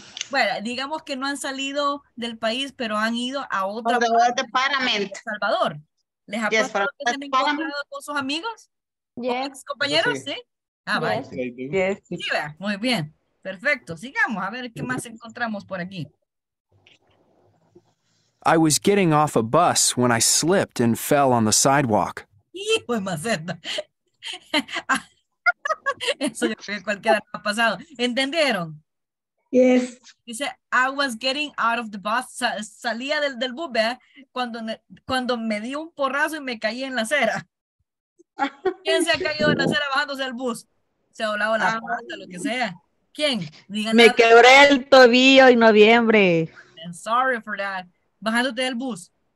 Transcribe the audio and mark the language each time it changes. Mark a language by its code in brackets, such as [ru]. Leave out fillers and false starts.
[es] Bueno, digamos que no han salido del país, pero han ido a otra parte. De Paramount. El Salvador. ¿Les ha pasado que se han encontrado con sus amigos? [en] Yes. [es] ¿Con compañeros? Sí. Ah, vale. [en] Yes. [es] Sí, muy bien. Perfecto. Sigamos a ver qué más encontramos por aquí. [en] I was getting off a bus when I slipped and fell on the sidewalk. [es] ¡Hijo de maceta! Eso yo creo que cualquiera ha pasado. ¿Entendieron? [en] Yes. Dice, I was getting out of the bus. [es] Salía del bus, ¿eh? Cuando me di un porrazo y me caí en la acera. ¿Quién se ha caído en la acera bajándose del bus? Se ha doblado la pata, lo que sea. ¿Quién? Díganle, me quebré el tobillo en noviembre. [en] I'm sorry for that. [es] ¿Bajándote del bus?